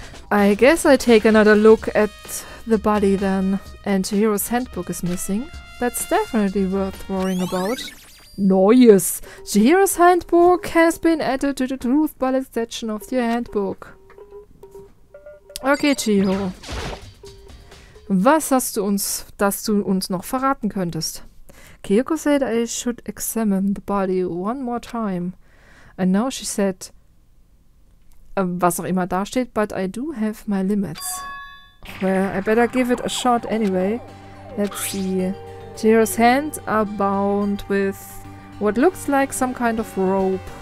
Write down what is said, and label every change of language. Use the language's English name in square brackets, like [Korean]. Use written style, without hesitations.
[English] I guess I take another look at the body then. And Chihiro's handbook is missing. That's definitely worth worrying about. Noise! Chihiro's handbook has been added to the truth bullet section of your handbook. Okay, Chihiro. [German] Was hast du uns, dass du uns noch verraten könntest? [English] Kyoko said I should examine the body one more time. And now she said, [German] was auch immer da steht, [English] but I do have my limits. Well, I better give it a shot anyway. Let's see. Chihiro's hands are bound with what looks like some kind of rope.